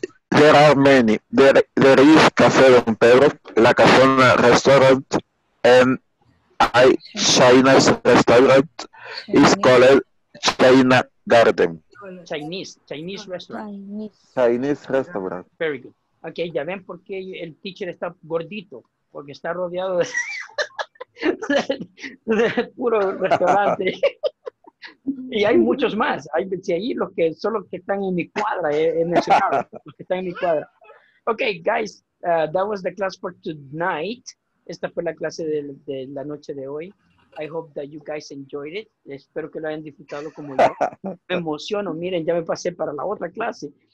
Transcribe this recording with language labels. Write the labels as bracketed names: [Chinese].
[English] There are many. There is Café Don Pedro, La Casona restaurant, and I China's restaurant is called China Garden. Chinese restaurant. Chinese restaurant. Very good. [Spanish] Okay, ya ven por qué el teacher está gordito, porque está rodeado de puro restaurante. Y hay muchos más. Hay ahí los que solo que están en mi cuadra, he mencionado, los que están en mi cuadra. [English] Okay, guys, that was the class for tonight. [Spanish] Esta fue la clase de la noche de hoy. [English] I hope that you guys enjoyed it. [Spanish] Espero que lo hayan disfrutado como yo. Me emociono. Miren, ya me pasé para la otra clase.